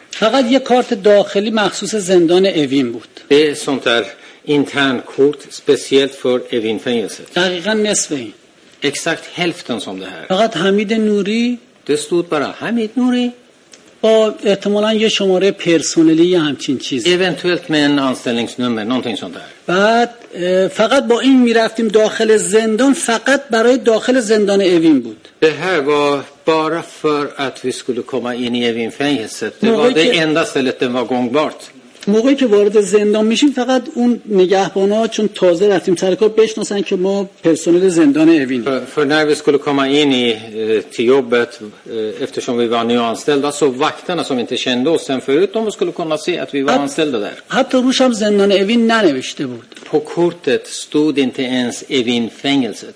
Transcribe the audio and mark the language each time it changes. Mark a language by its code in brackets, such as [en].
[fa] فقط یه کارت داخلی مخصوص زندان اوین بود. [sv] Det är sånt där intern kort speciellt för Evin-fängelset. [fa] دقیقاً نصف این. [sv] Exakt hälften som det här. [fa] فقط حمید نوری. [sv] Det stod bara Hamid Nouri. [fa] با احتمالاً یه شماره پرسونلی یا همچین چیز. [sv] Eventuellt med en anställningsnummer, någonting sånt där. [fa] بعد فقط با این میرفتیم داخل زندان فقط برای داخل زندان اوین بود. [sv] Det här var bara för att vi skulle komma in i Evin-fängelset. Det var det enda stället den var gångbart. [fa] موقعی که وارد زندان میشیم فقط اون نگهبانا چون تازه رفتیم سرکار بشناسن که ما پرسنل زندان اوین. [sv] För när vi skulle komma in i till jobbet eftersom vi var nyanställda så vakterna som inte kände oss sen förut de skulle kunna se att vi var anställda där. [fa] حتی روش هم زندان اوین ننوشته بود. [sv] På kortet stod inte ens Evin-fängelset.